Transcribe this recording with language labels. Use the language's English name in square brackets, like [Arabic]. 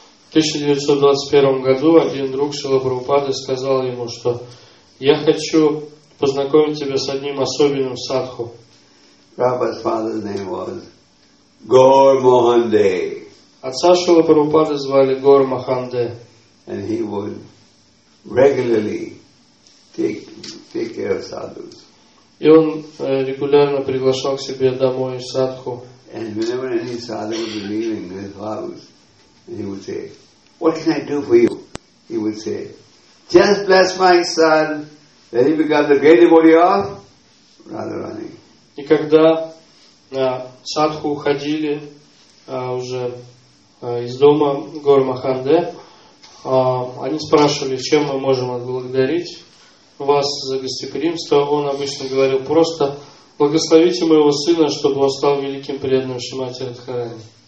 [Russian] В 1921 году один друг Шрила Прабхупады сказал ему, что я хочу познакомить тебя с одним особенным садху. [English] Prabhupada's father's name was Gaur Mohandey. [Russian] Отца Шрила Прабхупады звали Гор Маханде. [English] And he would regularly take care of sadhus. [Russian] И он регулярно приглашал к себе домой садху. [English] And whenever any sadhu was leaving his house, he would say, "What can I do for you?" He would say, "Just bless my son, then he becomes the great devotee of Radharani." [Russian] И когда садху уходили уже из дома Гор Маханде, они спрашивали, чем мы можем отблагодарить вас за гостеприимство. Он обычно говорил: просто благословите моего сына, чтобы он стал великим преданным Шримати Радхарани.